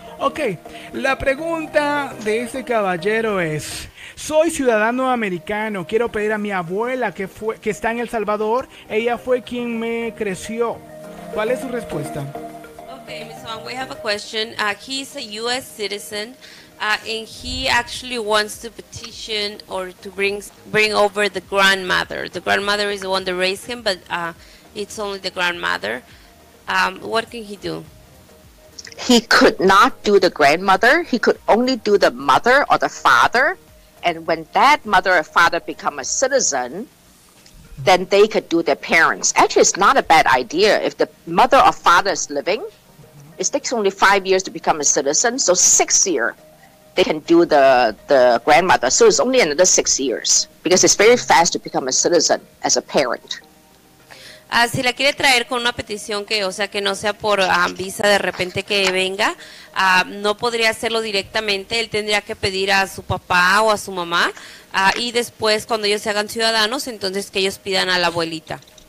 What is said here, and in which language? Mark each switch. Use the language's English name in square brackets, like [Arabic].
[Spanish] Ok, la pregunta de este caballero es, soy ciudadano americano, quiero pedir a mi abuela que está en El Salvador, ella fue quien me creció. ¿Cuál es su respuesta? [English] Ok, Ms. Wong, we have a question. He's a U.S. citizen and he actually wants to petition or to bring over the grandmother. The grandmother is the one that raised him, but it's only the grandmother. What can he do? he could not do the grandmother. He could only do the mother or the father. And when that mother or father become a citizen, then they could do their parents. Actually, it's not a bad idea. If the mother or father is living, it takes only 5 years to become a citizen. So 6 years, they can do the grandmother. So it's only another 6 years because it's very fast to become a citizen as a parent. [Spanish] Si la quiere traer con una petición que, o sea, que no sea por visa de repente que venga, no podría hacerlo directamente. Él tendría que pedir a su papá o a su mamá y después cuando ellos se hagan ciudadanos, entonces que ellos pidan a la abuelita.